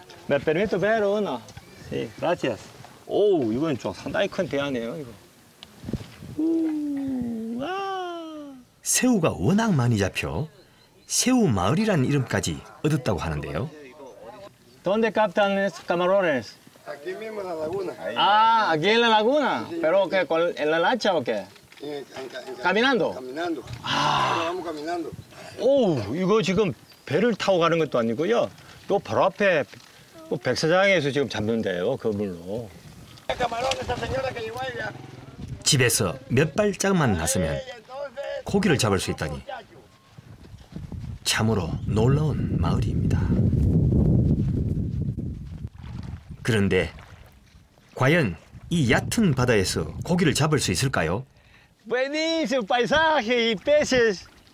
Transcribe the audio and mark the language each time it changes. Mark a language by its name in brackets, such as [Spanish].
[Spanish] Me permito ver uno. Sí, gracias. [Korean] 오, 이건 좀 상당히 큰 대안이에요, 이거. 와! 새우가 워낙 많이 잡혀 새우 마을이란 이름까지 얻었다고 하는데요. [Spanish] ¿Dónde captan estos camarones? Aquí mismo en la laguna. Ah, aquí en la laguna. Pero que con en la lancha o qué? Caminando. Caminando. Vamos caminando. [Korean] 오, 이거 지금 배를 타고 가는 것도 아니고요. 또 바로 앞에 뭐 백사장에서 지금 잡는데요, 그 물로. 집에서 몇 발짝만 나서면 고기를 잡을 수 있다니. 참으로 놀라운 마을입니다. 그런데 과연 이 얕은 바다에서 고기를 잡을 수 있을까요? [Spanish] Buenísimo paisaje y peces.